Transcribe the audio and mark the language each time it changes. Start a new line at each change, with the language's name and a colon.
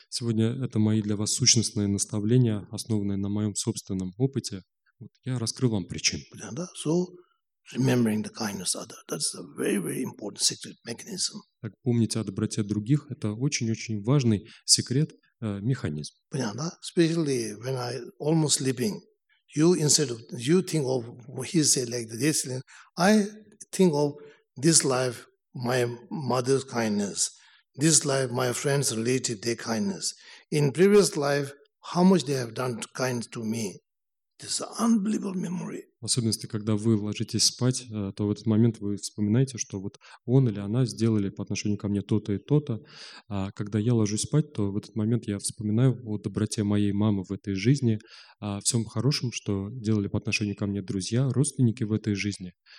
Russian: Сегодня это мои для вас сущностные наставления, основанные на моем собственном опыте. Вот я раскрыл вам причину. Понятно?
English: So, remembering the kindness of others. That's a very, very important secret mechanism.
Russian: Так помните о доброте других. Это очень-очень важный секрет, механизм. Понятно?
English: Especially when I almost sleeping, you think of what he said like this, I think of this life, my mother's kindness. This life, my friends, relative, their kindness. In previous life, how much they have done kind to me. This unbelievable memory.
Russian: В особенности, когда вы ложитесь спать, то в этот момент вы вспоминаете, что вот он или она сделали по отношению ко мне то-то и то-то. А когда я ложусь спать, то в этот момент я вспоминаю о доброте моей мамы в этой жизни, о всем хорошем, что делали по отношению ко мне друзья, родственники в этой жизни.